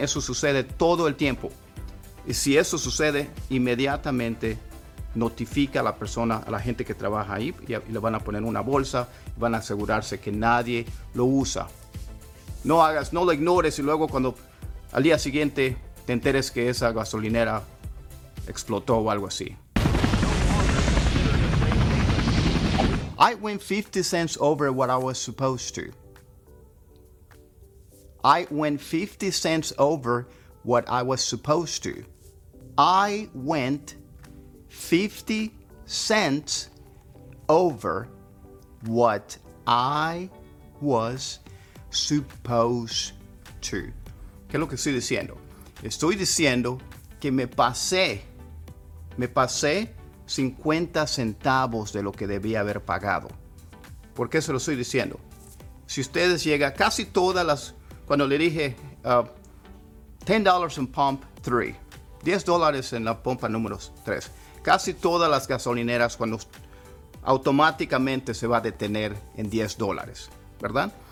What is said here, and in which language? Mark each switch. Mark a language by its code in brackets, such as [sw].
[es] Eso sucede todo el tiempo. Y si eso sucede, inmediatamente notifica a la persona, a la gente que trabaja ahí, y le van a poner una bolsa, y van a asegurarse que nadie lo usa. No lo ignores y luego cuando al día siguiente te enteres que esa gasolinera explotó o algo así. [en] I went 50 cents over what I was supposed to. I went 50 cents over what I was supposed to. I went 50 cents over what I was supposed to. supposed to. [es] ¿Qué es lo que estoy diciendo? Estoy diciendo que me pasé 50 centavos de lo que debía haber pagado. ¿Por qué se lo estoy diciendo? Si ustedes llegan casi todas las, cuando le dije $10 en pump 3, $10 en la pompa número 3, casi todas las gasolineras cuando automáticamente se va a detener en $10, ¿verdad?